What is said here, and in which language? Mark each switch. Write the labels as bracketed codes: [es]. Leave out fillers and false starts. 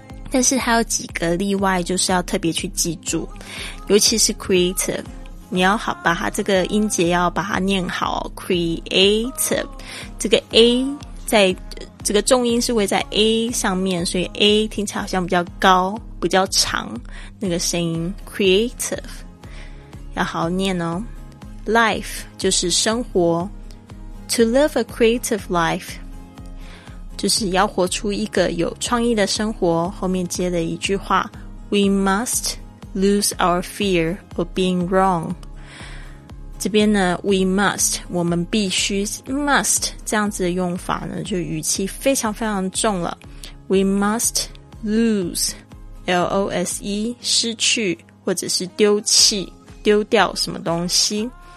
[zh] 但是还有几个例外，就是要特别去记住。尤其是 creative,你要好把它这个音节要把它念好 ,creative, 这个 A 在这个重音是会在 A 上面，所以 A 听起来好像比较高比较长，那个声音 creative 要好好念哦。 life 就是生活， [en] to live a creative life [zh] 就是要活出一个有创意的生活，后面接了一句话， [en] we must lose our fear of being wrong。 [zh] 这边呢 we must, 我们必须 must, 这样子的用法呢就语气非常非常重了。 [en] We must lose, [zh] L-O-S-E, 失去或者是丢弃丢掉什么东西。